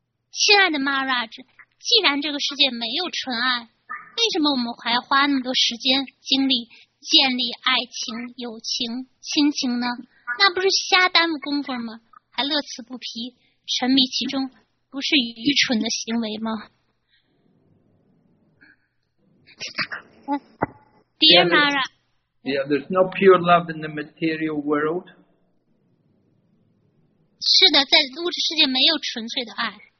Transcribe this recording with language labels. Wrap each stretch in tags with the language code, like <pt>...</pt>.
<zh>亲爱的 Maharaj， 既然这个世界没有纯爱，为什么我们还要花那么多时间精力建立爱情、友情、亲情呢？那不是瞎耽误功夫吗？还乐此不疲，沉迷其中，不是愚蠢的行为吗？嗯，</zh> <en>Dear Mara. Yeah, there's no pure love in the material world.</en> <zh>是的，在物质世界没有纯粹的爱。</zh>